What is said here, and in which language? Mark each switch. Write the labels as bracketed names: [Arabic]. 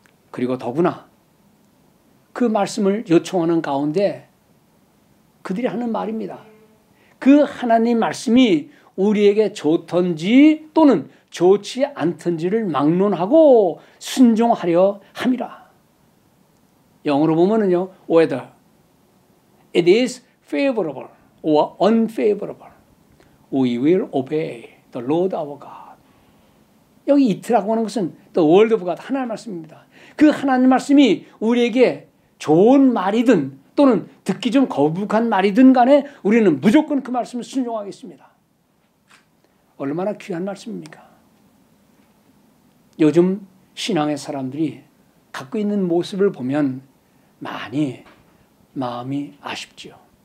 [Korean] 그리고 더구나 그 말씀을 요청하는 가운데 그들이 하는 말입니다. 그 하나님 말씀이 우리에게 좋던지 또는 좋지 않던지를 막론하고 순종하려 함이라. 영어로 보면은요, [English] whether it is favorable or unfavorable, we will obey the Lord our God. [Korean] 여기 it라고 하는 것은 [English] the word of God, [Korean] 하나님 말씀입니다. 그 하나님 말씀이 우리에게 좋은 말이든 또는 듣기 좀 거북한 말이든 간에 우리는 무조건 그 말씀을 순종하겠습니다. 얼마나 귀한 말씀입니까? 요즘 신앙의 사람들이 갖고 있는 모습을 보면 많이 마음이 아쉽죠.